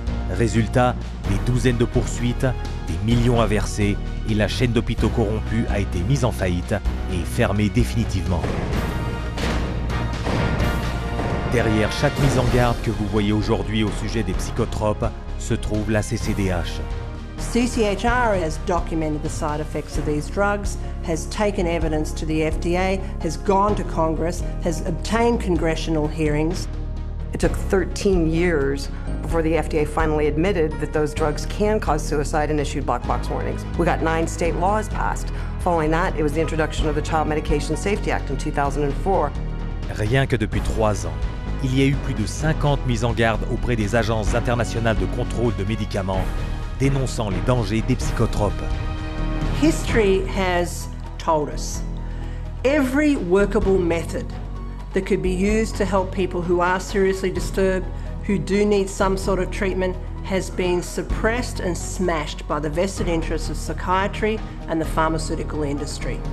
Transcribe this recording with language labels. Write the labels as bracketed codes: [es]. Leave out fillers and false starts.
[fr] Résultat, des douzaines de poursuites, des millions à verser et la chaîne d'hôpitaux corrompus a été mise en faillite et fermée définitivement. Derrière chaque mise en garde que vous voyez aujourd'hui au sujet des psychotropes se trouve la CCDH. [en] CCHR has documented the side effects of these drugs, has taken evidence to the FDA, has gone to Congress, has obtained congressional hearings. It took 13 years before the FDA finally admitted that those drugs can cause suicide and issued black box warnings. We got 9 state laws passed. Following that, it was the introduction of the Child Medication Safety Act in 2004. [fr] Rien que depuis 3 ans, il y a eu plus de 50 mises en garde auprès des agences internationales de contrôle de médicaments dénonçant les dangers des psychotropes. [en] History has told us every workable method that could be used to help people who are seriously disturbed, who do need some sort of treatment, has been suppressed and smashed by the vested interests of psychiatry and the pharmaceutical industry.